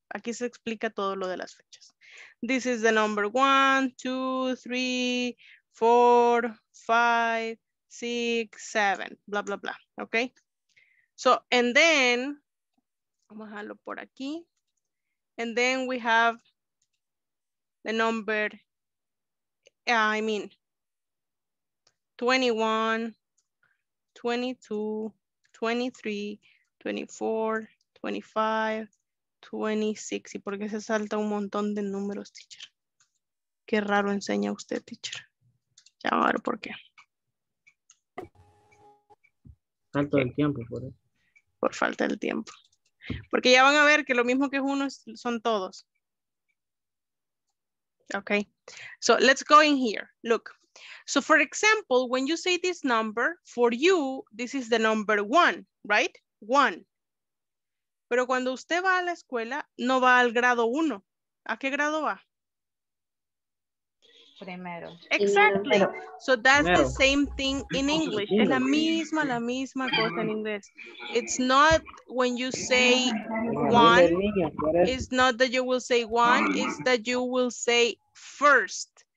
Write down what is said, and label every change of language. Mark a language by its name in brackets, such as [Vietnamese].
[Spanish] Aquí se explica todo lo de las fechas. [English] This is the number 1, 2, 3, 4, 5, 6, 7, blah, blah, blah, okay? So, and then, [Spanish] vamos a dejarlo por aquí. [English] And then we have the number, 21, 22, 23, 24, 25, 26. [Spanish] ¿Y por qué se salta un montón de números, teacher? Qué raro enseña usted, teacher. Ya vamos a ver por qué. Falta del tiempo, por eso. Por falta del tiempo. Porque ya van a ver que lo mismo que es uno son todos. [English] Okay. So let's go in here. Look. So for example, when you say this number, for you, this is the number 1, right? 1. [Spanish] Pero cuando usted va a la escuela, no va al grado 1. ¿A qué grado va? Primero. [English] Exactly. Primero. So that's primero. The same thing in English. [Spanish] Es la misma cosa en inglés. [English] It's not when you say 1, it's not that you will say 1, it's that you will say first.